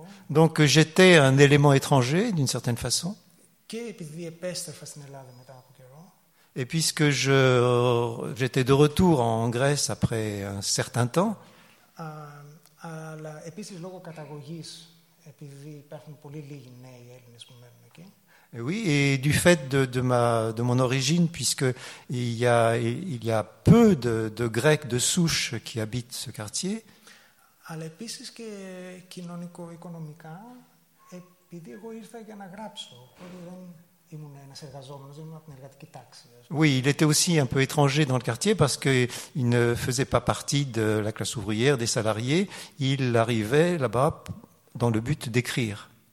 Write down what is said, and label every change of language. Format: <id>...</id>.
<fr>Donc j'étais un élément étranger d'une certaine façon.</fr> <el>Και επειδή επέστρεφα στην Ελλάδα μετά από καιρό.</el> <fr>Et puisque j'étais de retour en Grèce après un certain temps.</fr> <el>Αλλά επίσης λόγω καταγωγής, επειδή υπάρχουν πολύ λίγοι νέοι Έλληνες που μένουν εκεί.</el> <fr>Et oui, et du fait de mon origine, puisque il y a peu de Grecs de souche qui habitent ce quartier.</fr> <el>Αλλά επίσης και κοινωνικο-οικονομικά. Επειδή εγώ ήρθα για να γράψω, οπότε δεν ήμουν ένας εργαζόμενος, δεν ήμουν από την εργατική τάξη.</el> <fr>Oui, il était aussi un peu étranger dans le quartier parce qu'il ne faisait pas partie de la classe ouvrière, des salariés. Il arrivait là-bas dans le but d'écrire.</fr>